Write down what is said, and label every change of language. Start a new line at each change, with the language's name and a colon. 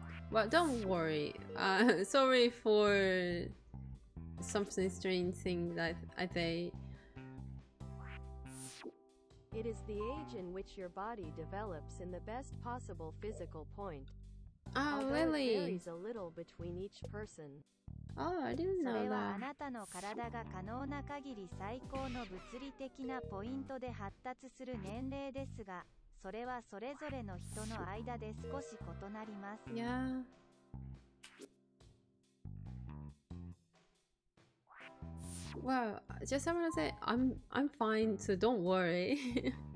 English: Well, don't worry. Sorry for something strange thing that I say. It is the age in which your body develops in the best possible physical point. Oh, really? Although it varies a little between each person. Oh, I didn't know that.
Japanese: それはあなたの体が可能な限り最高の物理的なポイントで発達する年齢ですが、それはそれぞれの人の間で少し異なります。
English: Yeah. Well, just I want to say I'm fine, so don't worry.